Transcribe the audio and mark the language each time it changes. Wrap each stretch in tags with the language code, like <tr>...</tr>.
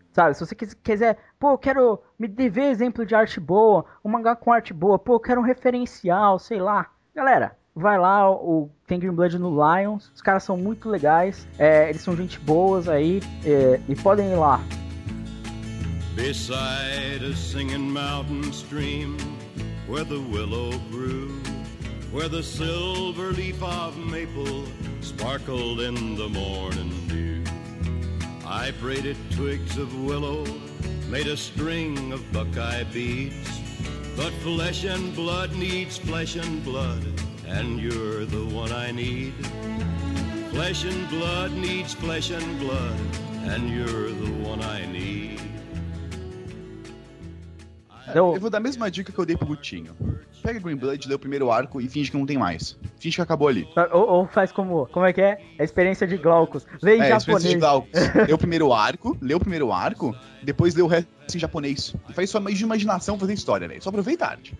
<pt>Sabe, se você quiser, pô, eu quero me dever exemplo de arte boa, um mangá com arte boa, pô, eu quero um referencial, sei lá. Galera, vai lá, tem Greenblood no Lions, os caras são muito legais, eles são gente boas aí, e podem ir lá.</pt> <en>Beside a singing mountain stream, where the willow grew, where the silver leaf of maple sparkled in the morning dew. I braided twigs of willow, made a string of buckeye beads. But flesh and blood needs flesh and blood, and you're the one I need. Flesh and blood needs flesh and blood, and you're the one I need.</en> <pt>Eu vou dar a mesma dica que eu dei pro Gutinho. Pega Greenblood, lê o primeiro arco e finge que não tem mais. Finge que acabou ali. Ou faz como... Como é que é? É a experiência de Glaucus. Lê em japonês. Experiência de Glaucus. Lê o primeiro arco, depois lê o resto em japonês. E faz só mais de imaginação fazer história, velho. Só aproveita a arte.</pt>